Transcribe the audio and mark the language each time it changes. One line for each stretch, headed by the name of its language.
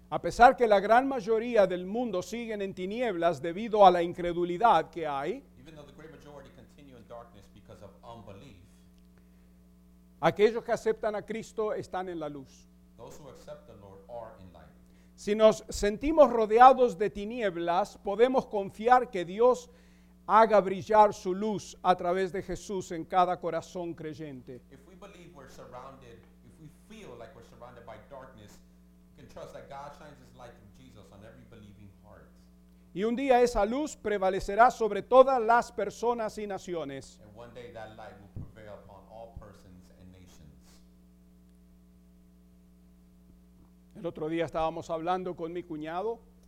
Spanish: A pesar que la gran mayoría del mundo siguen en tinieblas debido a la incredulidad que hay,
English: even though the great majority continue in darkness because of unbelief,
Spanish: aquellos que aceptan a Cristo están en la luz.
English: Those who accept the Lord are in light.
Spanish: Si nos sentimos rodeados de tinieblas, podemos confiar que Dios haga brillar su luz a través de Jesús en cada corazón creyente.
English: If we believe we're surrounded, if we feel like we're surrounded by darkness, we can trust that God shines his light through Jesus on every believing heart.
Spanish: Y un día esa luz prevalecerá sobre todas las personas y naciones.
English: And one day that light will prevail upon all persons and nations.
Spanish: El otro día estábamos hablando con mi cuñado.